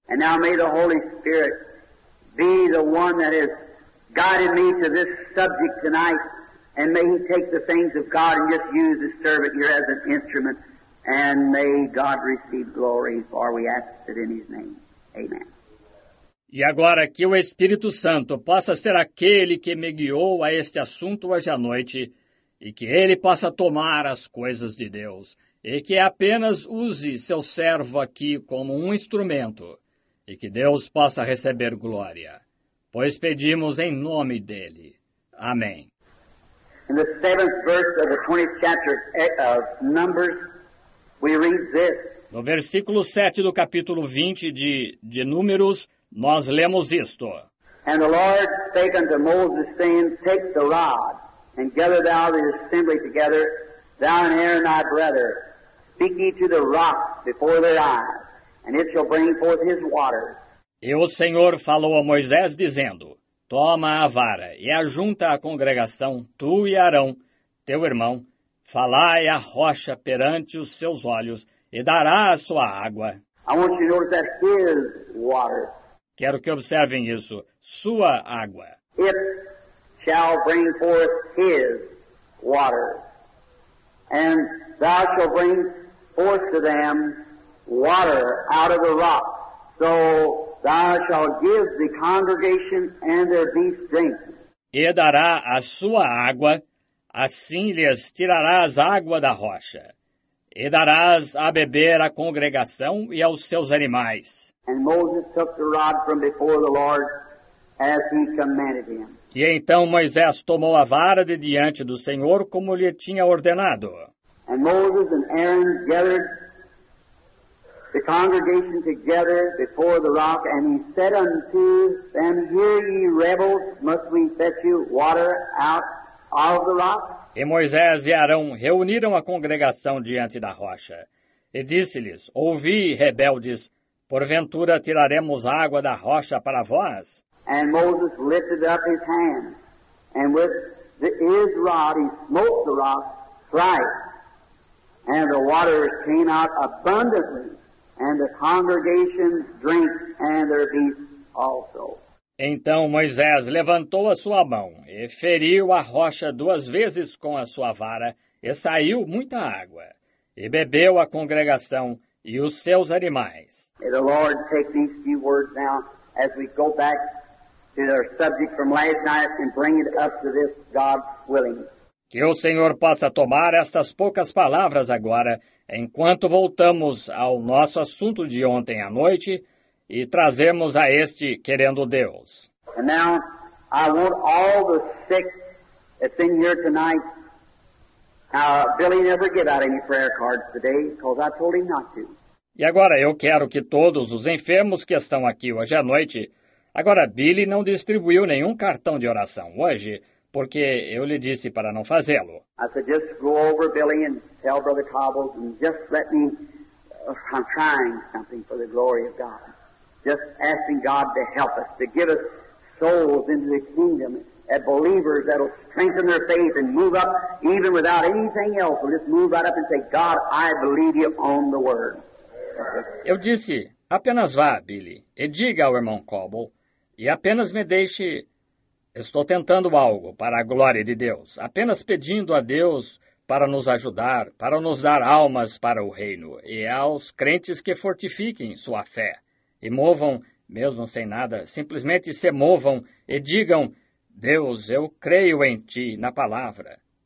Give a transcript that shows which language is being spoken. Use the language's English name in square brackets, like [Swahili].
[English] And now may the Holy Spirit be the one that has guided me to this subject tonight. And may he take the things of God and just use his servant here as an instrument. And may God receive glory, for we ask it in his name. Amen. [Portuguese] E agora que o Espírito Santo possa ser aquele que me guiou a este assunto hoje à noite e que ele possa tomar as coisas de Deus e que apenas use seu servo aqui como um instrumento e que Deus possa receber glória, pois pedimos em nome dele. Amém. [English] In the 7th verse of the 20th chapter of Numbers, we read this. [Portuguese] No versículo 7 do capítulo 20 de Números, nós lemos isto. [English] And the Lord spake unto Moses, saying, take the rod, and gather thou the assembly together, thou and Aaron thy brother, speak ye to the rock before their eyes, and it shall bring forth his water. [Portuguese] E o Senhor falou a Moisés, dizendo, toma a vara, e ajunta a congregação, tu e Arão, teu irmão, falai a rocha perante os seus olhos, e dará a sua água. [English] I want you to notice that his water. [Portuguese] Quero que observem isso, sua água. [English] It shall bring forth his water, and thou shalt bring forth to them water out of the rock. So thou shalt give the congregation and their beasts drink. [Portuguese] E dará a sua água, assim lhes tirarás água da rocha, e darás a beber à congregação e aos seus animais. [English] And Moses took the rod from before the Lord as he commanded him. [Portuguese] E então Moisés tomou a vara de diante do Senhor como lhe tinha ordenado. [English] And Moses and Aaron gathered the congregation together before the rock, and he said unto them, hear ye rebels, must we fetch you water out of the rock? [Portuguese] E Moisés e Arão reuniram a congregação diante da rocha, e disse-lhes, ouvi, rebeldes, porventura tiraremos água da rocha para vós? [English] And Moses lifted up his hand, and with his rod he smote the rock thrice, and the waters came out abundantly, and the congregation drank, and their beasts also. [Portuguese] Então Moisés levantou a sua mão e feriu a rocha duas vezes com a sua vara, e saiu muita água, e bebeu a congregação e os seus animais. [English] May the Lord take these few words now as we go back to our subject from last night and bring it up to this, God willing. [Portuguese] Que o Senhor possa tomar estas poucas palavras agora, enquanto voltamos ao nosso assunto de ontem à noite, e trazemos a este querendo Deus. [English] And now, I want all the sick that's in here tonight. Billy never gave out any prayer cards today, because I told him not to. [Portuguese] E agora eu quero que todos os enfermos que estão aqui hoje à noite, agora Billy não distribuiu nenhum cartão de oração hoje, porque eu lhe disse para não fazê-lo. [English] I said, just go over Billy and tell Brother Cobbles and just let me, I'm trying something for the glory of God. Just asking God to help us, to give us souls into the kingdom at believers that'll strengthen their faith and move up even without anything else. We'll just move right up and say, God, I believe you on the word. [Portuguese] Eu disse, apenas vá, Billy, e diga ao irmão Cobble, e apenas me deixe, estou tentando algo para a glória de Deus, apenas pedindo a Deus para nos ajudar, para nos dar almas para o reino, e aos crentes que fortifiquem sua fé, e movam, mesmo sem nada, simplesmente se movam e digam, Deus, eu creio em ti, na palavra.